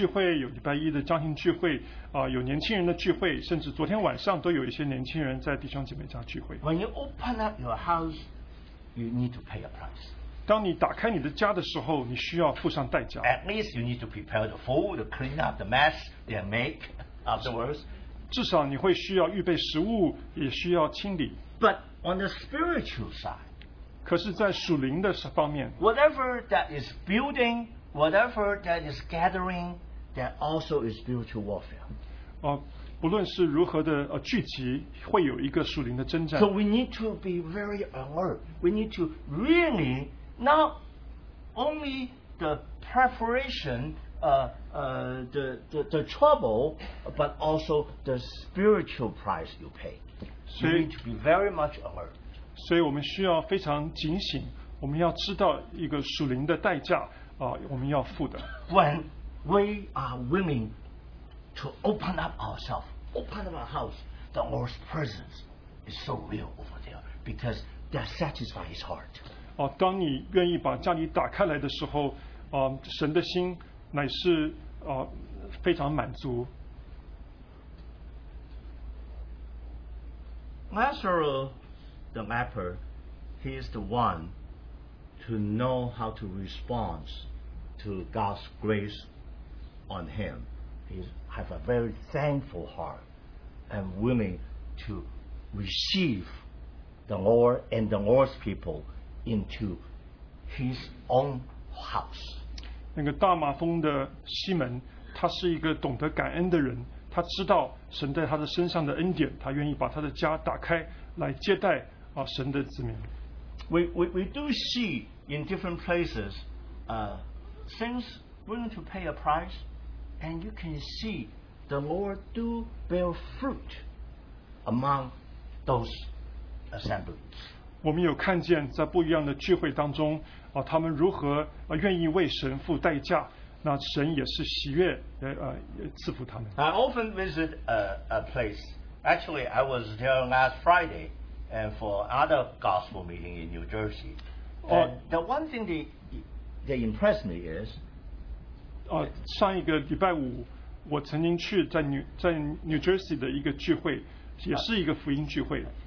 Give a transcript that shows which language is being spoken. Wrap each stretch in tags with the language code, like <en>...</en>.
<zh>我相信在这里有许多弟兄姐妹在周间的时候都有聚会，有礼拜一的家庭聚会， 有年轻人的聚会， 甚至昨天晚上都有一些年轻人在弟兄姐妹家聚会。</zh> <en>When you open up your house, you need to pay a price.</en> <zh>当你打开你的家的时候, 你需要付上代价。</zh> <en>At least you need to prepare the food, clean up the mess they make afterwards.</en> <zh>至少你会需要预备食物, 也需要清理。</zh> <en>But on the spiritual side,</en> <zh>可是在属灵的方面,</zh> <en>whatever that is building, whatever that is gathering, that also is spiritual warfare.</en> <zh>不论是如何的, 聚集, 会有一个属灵的征战。</zh> <en>So we need to be very alert. We need to really, not only the preparation, the trouble, but also the spiritual price you pay. So you need to be very much alert.</en> <zh>所以我们需要非常警醒, 我们要知道一个属灵的代价, 我们要付的。</zh> <en>When we are willing to open up ourselves, open up our house, the Lord's presence is so real over there because that satisfies his heart.</en> <zh>当你愿意把家里打开来的时候, 神的心乃是, 非常满足。</zh> <en>Lazarus, the leper, he is the one to to know how to respond to God's grace on him. He has a very thankful heart and willing to receive the Lord and the Lord's people into his own house.</en> <zh>那个大马蜂的西门，他是一个懂得感恩的人，他知道神在他的身上的恩典，他愿意把他的家打开来接待啊神的子民。</zh> <en>We do see in different places, things willing to pay a price, and you can see the Lord do bear fruit among those assemblies.</en> <zh>我们有看见在不一样的聚会当中。他们如何愿意为神付代价，那神也是喜悦赐福他们。</zh> <en>I often visit a place. Actually, I was there last Friday and for other gospel meeting in New Jersey. The one thing they impressed me is,</en> <zh>上一个礼拜五我曾经去在 New Jersey 的一个聚会，也是一个福音聚会。</zh>